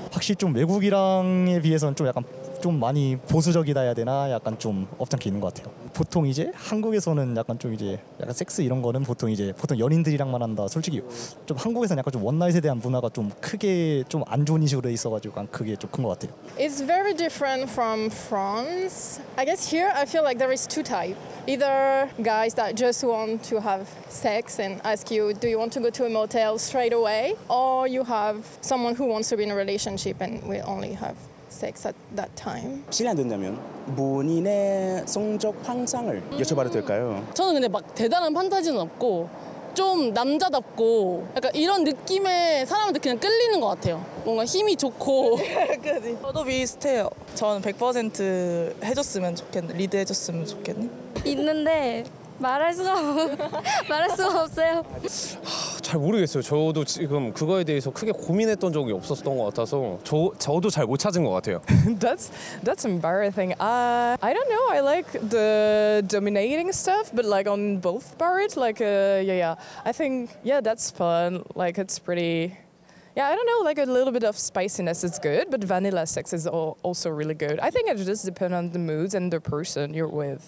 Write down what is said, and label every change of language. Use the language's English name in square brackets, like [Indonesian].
[Korean] 확실히 좀 외국이랑에 비해서는 좀 약간 좀 많이 보수적이다 해야 되나 약간 좀 업장 있는 것 같아요. 보통 이제 한국에서는 약간 좀 이제 약간 섹스 이런 거는 보통 연인들이랑만 한다. 솔직히 좀 한국에서는 약간 좀 원나잇에 대한 문화가 좀 크게 좀 안 좋은 식으로 있어가지고 약간 그게 좀 큰 것 같아요. [English] It's very different from France. I guess here I feel like there is two types. Either guys that just want to have sex and ask you, do you want to go to a motel straight away? Or you have someone who wants to be in a relationship and we only have sex at that time. [Korean] 실례 안 된다면 본인의 성적 환상을 여쭤봐도 될까요? 저는 근데 막 대단한 판타지는 없고 좀 남자답고 약간 이런 느낌의 사람한테 그냥 끌리는 것 같아요. 뭔가 힘이 좋고 저도 비슷해요. 전 100% 해줬으면 좋겠네. 리드 해줬으면 좋겠네. 있는데 말할 수가 없어요. 잘 모르겠어요. 저도 지금 그거에 대해서 크게 고민했던 적이 없었던 것 같아서 저도 잘 못 찾은 것 같아요. [English] That's embarrassing. I don't know. I like the dominating stuff, but like on both parts, like yeah. I think yeah, that's fun. Like it's pretty. Yeah, I don't know, like a little bit of spiciness is good, but vanilla sex is also really good. I think it just depends on the moods and the person you're with.